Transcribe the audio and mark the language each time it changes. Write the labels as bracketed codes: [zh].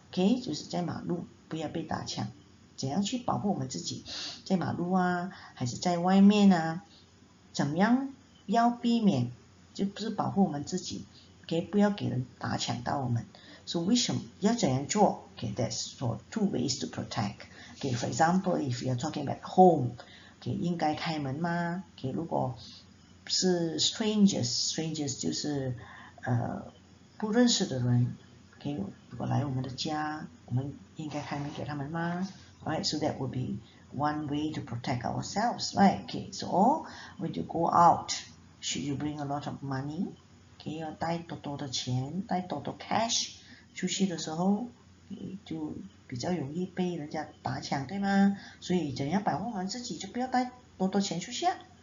[zh] Okay, 就是在马路, 不要被打抢, 怎样去保护我们自己, 在马路啊, 还是在外面啊, 怎么样要避免, 就不是保护我们自己, okay, 不要给人打抢到我们。 [en] So, [zh] 为什么要怎样做? [en] Okay, that's for two ways to protect. Okay, for example, if you're talking about home, okay, [zh] 应该开门吗? Okay, 如果是 strangers 就是 不认识的人, okay, 如果来我们的家, 我们应该开门给他们吗? [en] Right, so that would be one way to protect ourselves, right? Okay, so when you go out, should you bring a lot of money? [zh] Okay, 要带多多的钱, 带多多 cash? 出去的时候, 就比较容易被人家打抢, 对吗? 所以怎样保护我们自己, 就不要带多多钱出去啊?